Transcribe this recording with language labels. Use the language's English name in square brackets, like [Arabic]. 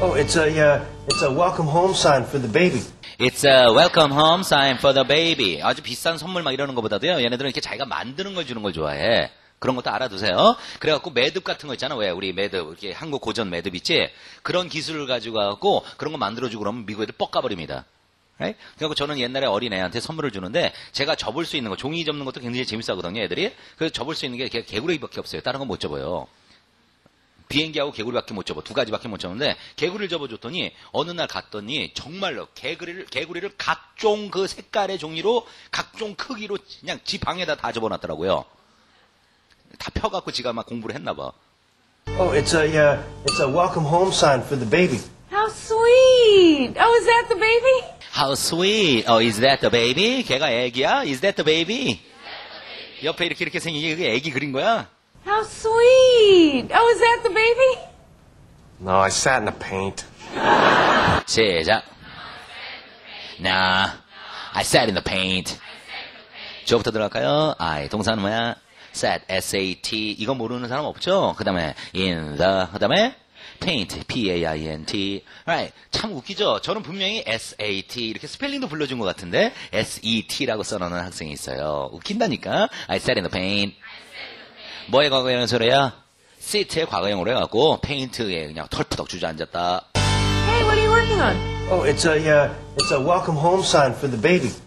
[English] Oh, it's a welcome home sign for the baby. It's a welcome home sign for the baby. [Korean] 아주 비싼 선물 막 이러는 것보다도요. 얘네들은 이렇게 자기가 만드는 걸 주는 걸 좋아해. 그런 것도 알아두세요. 그래갖고 매듭 같은 거 있잖아. 왜 우리 매듭 이렇게 한국 고전 매듭 있지? 그런 기술을 가지고 갖고 그런 거 만들어주고 그러면 미국 애들 뻑가버립니다. [English] Right? [Korean] 그래갖고 저는 옛날에 어린 애한테 선물을 주는데 제가 접을 수 있는 거 종이 접는 것도 굉장히 재밌어하거든요. 애들이. 그래서 접을 수 있는 게 개구리밖에 없어요. 다른 건 못 접어요. 비행기하고 개구리밖에 못 접어. 두 가지밖에 못 접는데 개구리를 접어줬더니 어느 날 갔더니 정말로 개구리를 각종 그 색깔의 종이로 각종 크기로 그냥 지 방에다 다 접어놨더라고요. 다 펴갖고 지가 막 공부를 했나 봐. [English] Oh, it's a welcome home sign for the baby. How sweet! Oh, is that the baby? How sweet! Oh, is that the baby? [Korean] 걔가 애기야? [English] Is that the baby? [Korean] 옆에 이렇게 생긴 게 애기 그린 거야? [English] How sweet! Oh, is that the baby? No, I sat in the paint. [Korean] 시작. [English] Nah, I sat in the paint. [Korean] 저부터 들어갈까요? I, 동사는 뭐야? Sat, S-A-T. 이거 모르는 사람 없죠? 그 다음에 in the, 그 다음에 paint, P-A-I-N-T. Alright, 참 웃기죠? 저는 분명히 S-A-T 이렇게 스펠링도 불러준 것 같은데 S-E-T라고 써놓는 학생이 있어요. 웃긴다니까. [English] I sat in the paint. [Korean] 뭐의 과거형으로야? Sit의 과거형으로 해갖고 페인트에 그냥 털푸덕 주저앉았다. [English] Hey, what are you working on? Oh, it's a welcome home sign for the baby.